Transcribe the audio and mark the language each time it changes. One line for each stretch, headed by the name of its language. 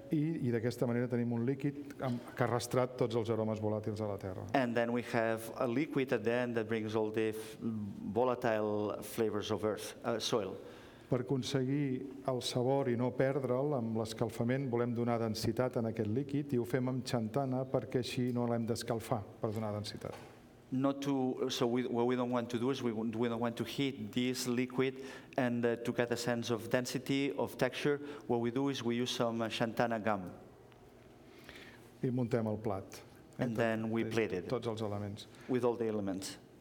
Catalan: I d'aquesta manera tenim un líquid que ha arrastrat tots els aromes volàtils a la terra.
English: And then we have a liquid at the end that brings all the volatile flavors of earth, soil.
Catalan: Per aconseguir el sabor i no perdre'l amb l'escalfament, volem donar densitat en aquest líquid i ho fem amb xantana perquè així no l'hem d'escalfar per donar densitat.
English: What we don't want to do is we don't want to heat this liquid and to get a sense of density, of texture. What we do is we use some xantana gum.
Catalan: I muntem el plat.
English: And then we plate it.
Catalan: Tots els elements.
English: With all the elements.